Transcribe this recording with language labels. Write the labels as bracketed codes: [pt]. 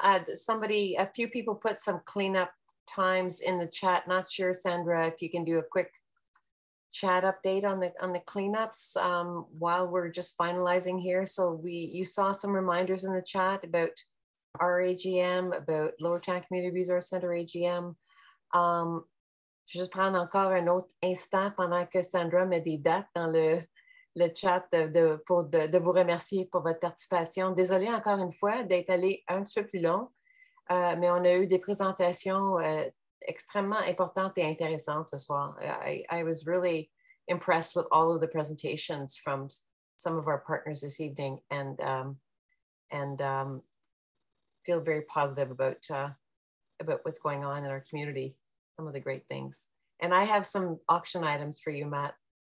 [en] A few people put some cleanup times in the chat. Not sure, Sandra, if you can do a quick chat update on the cleanups while we're just finalizing here. So you saw some reminders in the chat about our AGM, about Lower Town Community Resource Center AGM. [fr] Je vais prendre encore un autre instant pendant que Sandra met des dates dans le chat de vous remercier pour votre participation. Désolée encore une fois d'être allée un petit peu plus long, mais on a eu des présentations extrêmement importante et intéressante ce soir. [en] I was really impressed with all of the presentations from some of our partners this evening and feel very positive about what's going on in our community, some of the great things. And I have some auction items for you, Matt.